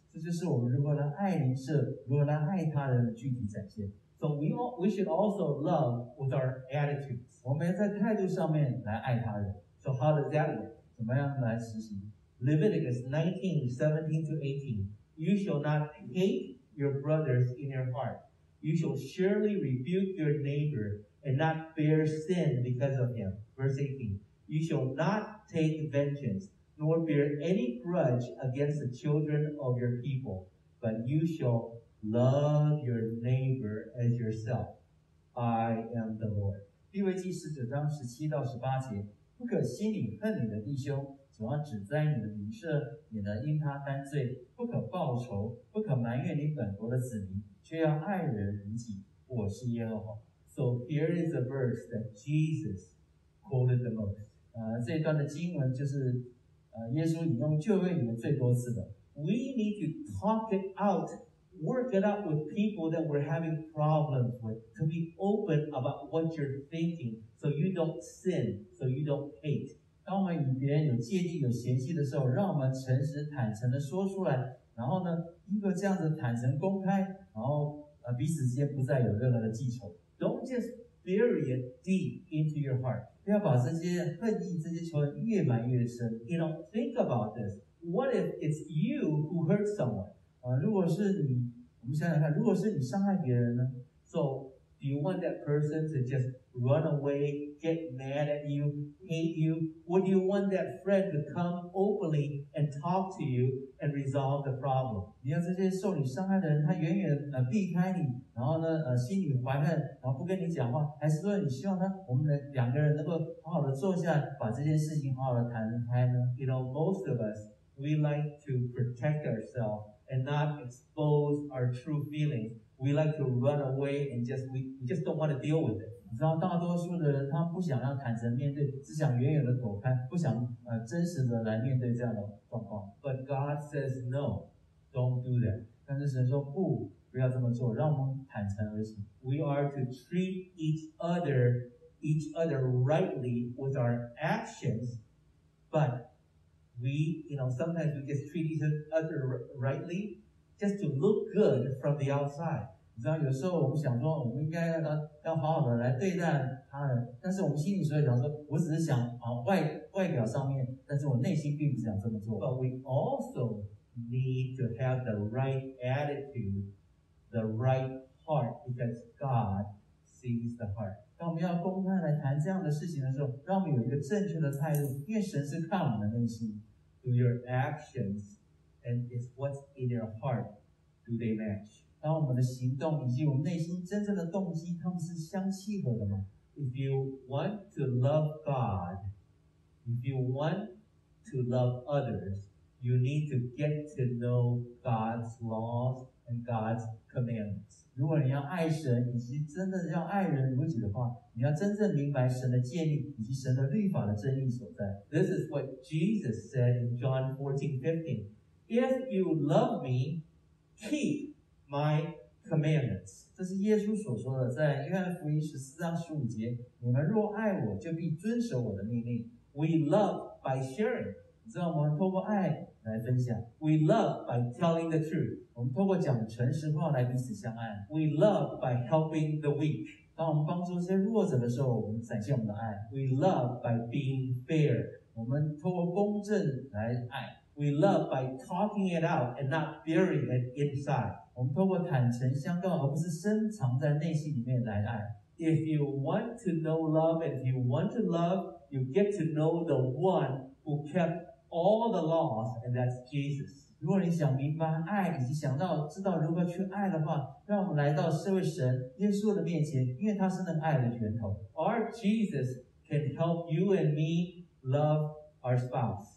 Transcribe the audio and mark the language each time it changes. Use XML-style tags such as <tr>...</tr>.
<zh>这就是我们如何来爱邻舍，如何来爱他人的具体展现。</zh> <en>So we should also love with our attitudes.</en> <zh>我们要在态度上面来爱他人。</zh> <en>So how does that work?</en> <zh>怎么样来实行？</zh> <en>Leviticus 19:17-18, you shall not hate your brothers in your heart. You shall surely rebuke your neighbor and not bear sin because of him. Verse 18, you shall not take vengeance nor bear any grudge against the children of your people, but you shall love your neighbor as yourself. I am the Lord.</en> <zh>利未记十九章十七到十八节，不可心里恨你的弟兄，总要指摘你的邻舍，也能因他担罪，不可报仇，不可埋怨你本国的子民，却要爱人如己。我是耶和华。</zh> <en>So here is a verse that Jesus quoted the most.</en> <zh>这一段的经文就是耶稣引用旧约里面最多次的。</zh> <en>We need to talk it out, work it out with people that we're having problems with, to be open about what you're thinking, so you don't sin, so you don't hate.</en> <zh>当我们与别人有芥蒂、有嫌隙的时候，让我们诚实、坦诚地说出来。然后呢，一个这样子坦诚公开，然后彼此之间不再有任何的记仇。</zh> <en>Don't just bury it deep into your heart.</en> <zh>不要把这些恨意、这些仇恨越埋越深。</zh> <en>You know, think about this. What if it's you who hurt someone?</en> <zh>如果是你，我们想想看，如果是你伤害别人呢</zh> <en>？So do you want that person to just run away, get mad at you, hate you? Would you want that friend to come openly and talk to you and resolve the problem?</en> <zh>你要这些受你伤害的人，他远远避开你，然后呢，心里怀恨，然后不跟你讲话，还是说你希望他，我们两个人能够好好的坐下，把这件事情好好的谈开呢</zh> <en>？You know, most of us we like to protect ourselves and not expose our true feelings. We like to run away and just don't want to deal with it.</en> <zh>你知道，大多数的人他不想要坦诚面对，只想远远的躲开，不想真实的来面对这样的状况。</zh> <en>But God says no, don't do that.</en> <zh>但是神说不，不要这么做，让我们坦诚而行。</zh> <en>We are to treat each other rightly with our actions, but we, you know, sometimes we just treat each other rightly just to look good from the outside.</en> <zh>你知道，有时候我们想说，我们应该 要好好的来对待他人，但是我们心里所以想说，我只是想啊外表上面，但是我内心并不想这么做。</zh> <en>But we also need to have the right attitude, the right heart, because God sees the heart.</en> <zh>当我们要公开来谈这样的事情的时候，让我们有一个正确的态度，因为神是看我们的内心。</zh> <en>Do your actions and is what's in your heart, do they match?</en> <zh>当我们的行动以及我们内心真正的动机，他们是相契合的吗</zh> <en>？If you want to love God, if you want to love others, you need to get to know God's laws and God's commandments.</en> <zh>如果你要爱神以及真的要爱人如己的话，你要真正明白神的诫命以及神的律法的真意所在。</zh> <en>This is what Jesus said in John 14:15. If you love me, keep. My commandments.</en> <zh>这是耶稣所说的，在约翰福音十四章十五节，你们若爱我，就必遵守我的命令。</zh> <en>We love by sharing.</en> <zh>你知道，我们透过爱来分享。</zh> <en>We love by telling the truth.</en> <zh>我们透过讲诚实话来彼此相爱。</zh> <en>We love by helping the weak.</en> <zh>当我们帮助一些弱者的时候，我们展现我们的爱。</zh> <en>We love by being fair.</en> <zh>我们透过公正来爱。</zh> <en>We love by talking it out and not burying it inside.</en> <zh>我们透过坦诚相告，而不是深藏在内心里面来爱。</zh> <en>If you want to know love, and if you want to love, you get to know the one who kept all the laws, and that's Jesus.</en> <zh>如果你想明白爱，以及想到知道如何去爱的话，让我们来到这位神耶稣的面前，因为他是那爱的源头。</zh> <en>Our Jesus can help you and me love our spouse.</en>